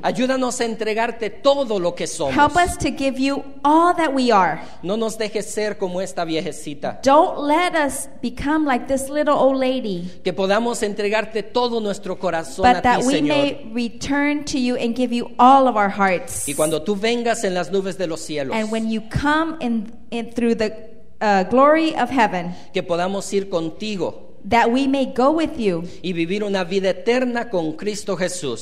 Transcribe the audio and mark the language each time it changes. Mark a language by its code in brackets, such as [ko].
[es] Ayúdanos a entregarte todo lo que somos. [en] Help us to give you all that we are. [es] No nos dejes ser como esta vieja. [en] Don't let us become like this little old lady. [es] Que podamos entregarte todo nuestro corazón a ti, Señor. [en] But that we may return to you and give you all of our hearts. [es] Y cuando tú vengas en las nubes de los cielos. [en] And when you come in through the glory of heaven. [es] Que podamos ir contigo. [en] That we may go with you. [es] Y vivir una vida eterna con Cristo Jesús.